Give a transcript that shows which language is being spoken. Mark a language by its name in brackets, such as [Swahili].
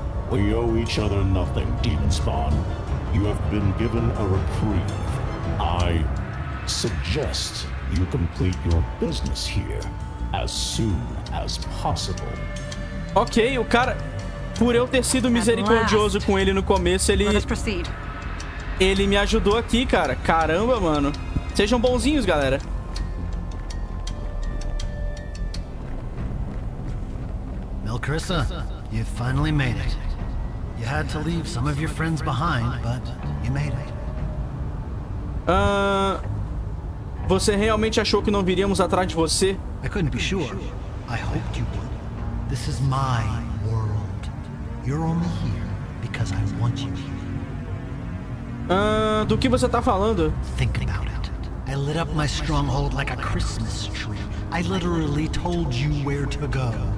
[English] We owe each other nothing, Demon Spawn. You have been given a reprieve. I suggest you complete your business here as soon as possible. [Portuguese] Okay, o cara... Por eu ter sido misericordioso com ele no começo, ele... Ele me ajudou aqui, cara. Caramba, mano. Sejam bonzinhos, galera. [English] Melcrissa, you finally made it. You had to leave some of your friends behind, but you made it. [Portuguese] Você realmente achou que não viríamos atrás de você? [English] I couldn't be sure. I hoped you would. This is my world. You're only here because I want you here. [Portuguese] Do que você tá falando? [English] Think about it. I lit up my stronghold like a Christmas tree. I literally told you where to go.